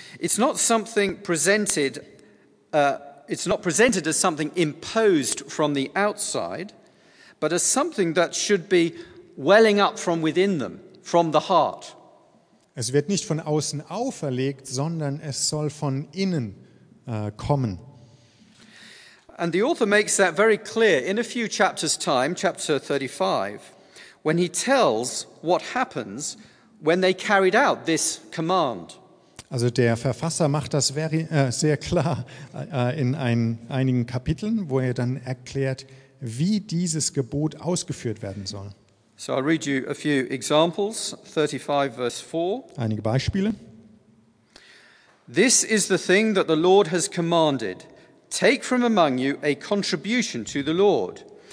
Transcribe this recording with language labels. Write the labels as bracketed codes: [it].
[en] It's not something presented It's not presented as something imposed from the outside, but as something that should be welling up from within them, from the heart. [de] Es wird nicht von außen auferlegt, sondern es soll von innen kommen. [en] And the author makes that very clear in a few chapters' time, chapter 35, when he tells what happens when they carried out this command. [de] Also der Verfasser macht das sehr klar in einigen Kapiteln, wo er dann erklärt, wie dieses Gebot ausgeführt werden soll. [en] So I'll read you a few examples, 35 verse 4. [de] Einige Beispiele. [en] This is the thing that the Lord has commanded. Take from among you a contribution to the Lord.